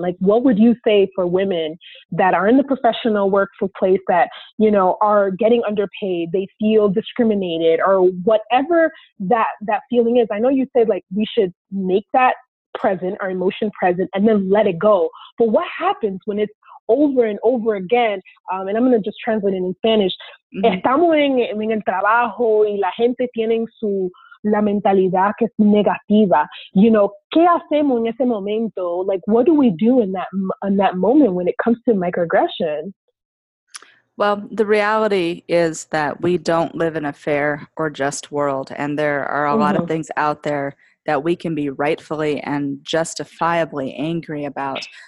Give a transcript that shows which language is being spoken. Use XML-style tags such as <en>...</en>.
<en>Like, what would you say for women that are in the professional workplace that, you know, are getting underpaid, they feel discriminated, or whatever that feeling is? I know you said, like, we should make that present, our emotion present, and then let it go. But what happens when it's over and over again? And I'm going to just translate it in Spanish. Mm-hmm.</en> <es>Estamos en el trabajo y la gente tienen su la mentalidad que es negativa,</es> <en>you know,</en> <es>¿qué hacemos en ese momento?</es> <en>Like, what do we do in that moment when it comes to microaggression? Well, the reality is that we don't live in a fair or just world, and there are a lot of things out there that we can be rightfully and justifiably angry about.</en>